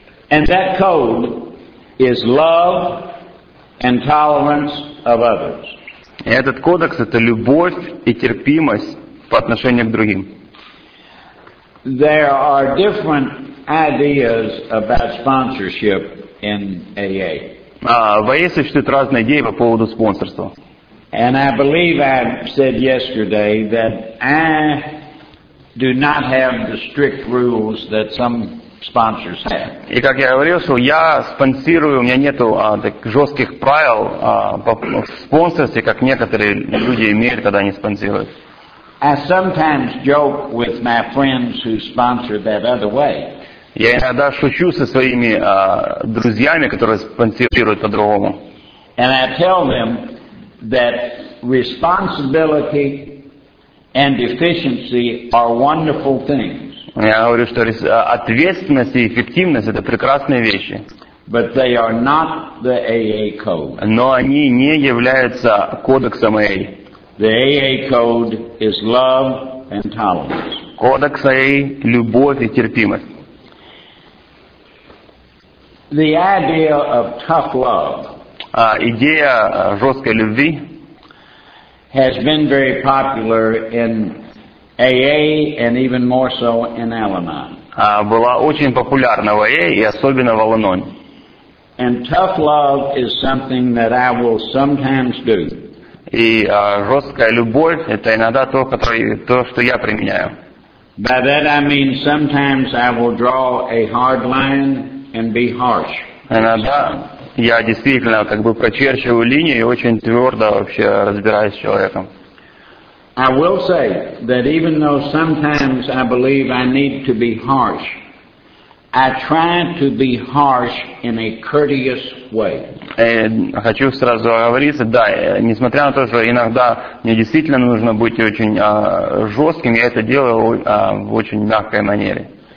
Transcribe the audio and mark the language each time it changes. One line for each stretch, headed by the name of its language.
English: And that code is love and tolerance of others.
Russian: Этот кодекс это любовь и терпимость по отношению к другим.
English: There are different ideas about sponsorship in AA.
Russian: В AA существуют разные идеи по поводу спонсорства.
English: And I believe I said yesterday that I do not have the strict rules that some sponsors have.
Russian: И как я говорил, что я спонсирую, у меня нету жестких правил по спонсорстве, как некоторые люди имеют, когда они спонсируют.
English: I sometimes joke with my friends who sponsor that other way.
Russian: Я иногда шучу со своими друзьями, которые спонсируют по-другому.
English: And I tell them that responsibility and efficiency are wonderful things.
Russian: Я говорю, что ответственность и эффективность — это прекрасные вещи.
English: But they are not the AA code.
Russian: Но они не являются кодексом AA.
English: The AA code is love and tolerance.
Russian: Кодекс AA — любовь и терпимость.
English: The idea of tough love
Russian: Идея жесткой любви
English: has been very popular in AA and even more so in Al-Anon.
Russian: Была очень популярна в АА и особенно в Al-Anon.
English: And tough love is something that I will sometimes do.
Russian: И жесткая любовь — это иногда то, что я применяю.
English: By that I mean sometimes I will draw a hard line and be harsh.
Russian: Иногда я действительно как бы прочерчиваю линию и очень твердо вообще разбираюсь с человеком.
English: I will say that even though sometimes I believe I need to be harsh, I try to be harsh in a courteous way.
Russian: Хочу сразу оговориться, да, несмотря на то, что иногда мне действительно нужно быть очень жестким, я это делаю в очень мягкой манере.